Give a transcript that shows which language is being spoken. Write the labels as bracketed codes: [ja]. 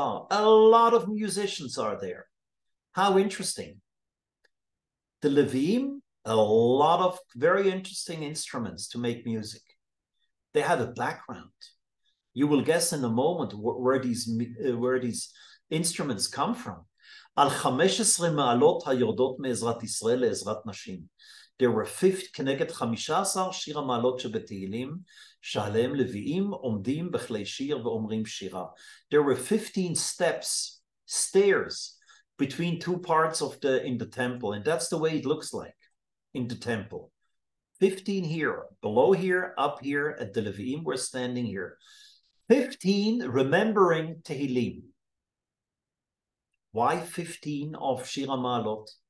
[en] A lot of musicians are there. How interesting. The Levim, a lot of very interesting instruments to make music. They have a background. You will guess in a moment where these instruments come from. [he] על 15 מעלות היורדות מעזרת ישראל לעזרת נשים. [en] There were 50, [he] כנגד 15 שיר המעלות שבתהילים, שעליהם לוויים עומדים בכלי שיר ואומרים שירה. [en] There were 15 steps, stairs, between two parts of the, in the temple, and that's the way it looks like, in the temple. 15 here, below here, up here, at the Levi'im, we're standing here. 15 remembering Tehillim. Why 15 of Shir HaMa'alot?